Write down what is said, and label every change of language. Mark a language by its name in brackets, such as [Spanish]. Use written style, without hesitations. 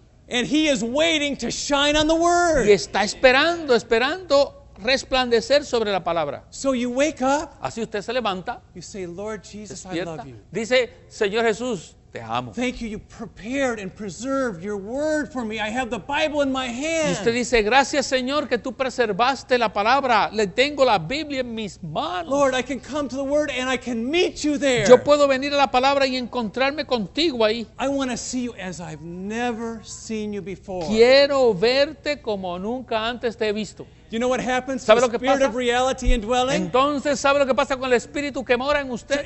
[English] And he is waiting to shine on the word. [Spanish] Y está esperando resplandecer sobre la palabra. [English] So you wake up. [Spanish] Así usted se levanta. [English] You say, Lord Jesus, I love you. [Spanish] Dice, Señor Jesús, te amo. [English] Thank you. You prepared and preserved your word for me. I have the Bible in my hand. [Spanish] Y usted dice, gracias, Señor, que tú preservaste la palabra. Le tengo la Biblia en mis manos. [English] Lord, I can come to the word and I can meet you there. [Spanish] Yo puedo venir a la palabra y encontrarme contigo ahí. [English] I want to see you as I've never seen you before. [Spanish] Quiero verte como nunca antes te he visto. [English] You know what happens? [Spanish] ¿Sabe [English] the spirit [Spanish] pasa? [English] Of reality indwelling. [Spanish] Entonces, ¿sabe lo que pasa con el espíritu que mora en usted?